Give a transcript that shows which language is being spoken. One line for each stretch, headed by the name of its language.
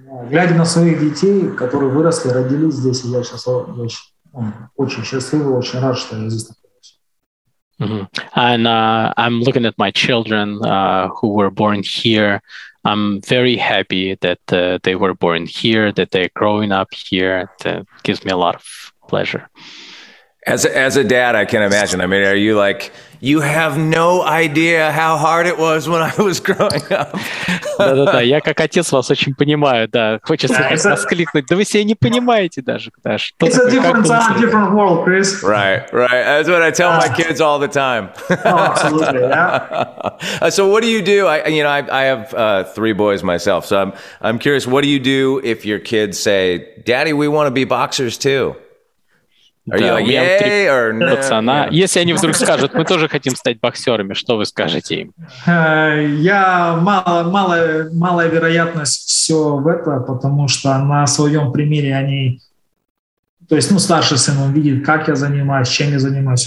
Russian: Глядя на своих детей, которые выросли, родились здесь, я сейчас очень счастлив, очень рад, что я здесь.
English: And I'm looking at my children who were born here. I'm very happy that they were born here, that they're growing up here. That gives me a lot of pleasure. As a dad, I can imagine. I mean, are you like, you have no idea how hard it was when I was growing up?
Russian: Да-да-да, я как отец вас очень понимаю, да. Хочется воскликнуть. Да вы себя не понимаете даже, Даш.
English: It's a different time, different world, Chris. Right. That's what I tell my kids all the time. Oh, absolutely, yeah. So what do you do? I have 3 boys myself, so I'm curious, what do you do if your kids say, Daddy, we want to be boxers too?
Russian: Если они вдруг скажут, мы тоже хотим стать боксерами, что вы скажете им? Я малая вероятность все в это, потому что на своем примере они, то есть, ну, старший сын, он видит, как я занимаюсь, чем я занимаюсь.